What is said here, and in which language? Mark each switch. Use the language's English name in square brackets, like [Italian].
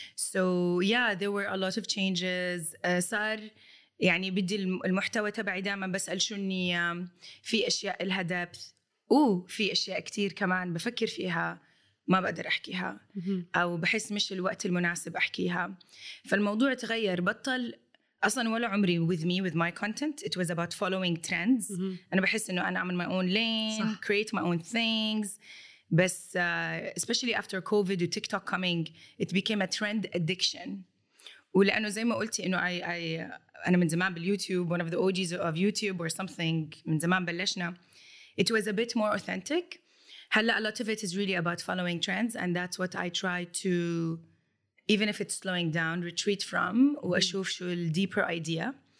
[English] So yeah, there were a lot of changes. [Arabic] صار يعني بدي المحتوى تبعي دائما بسأل شو النية, في أشياء إلها depth, وفي أشياء كتير كمان بفكر فيها ما بقدر أحكيها أو بحس مش الوقت المناسب أحكيها. فالموضوع تغير, بطل أصلاً ولا عمري [English] with me, with my content. It was about following trends. [Arabic] أنا بحس إنه أنا أعمل [English] my own lane, [Arabic] صح. [English] create my own things. بس especially after COVID and TikTok coming, it became a trend addiction. [Arabic] ولأنه زي ما قلتي إنه أنا من زمان باليوتيوب, [English] one of the OGs of YouTube or something, [Arabic] من زمان بلشنا. [English] It was a bit more authentic. هلا a lot of it is really about following trends, and that's what I try to, even if it's slowing down, retreat from, [Arabic] وأشوف شو ال [English] deeper idea.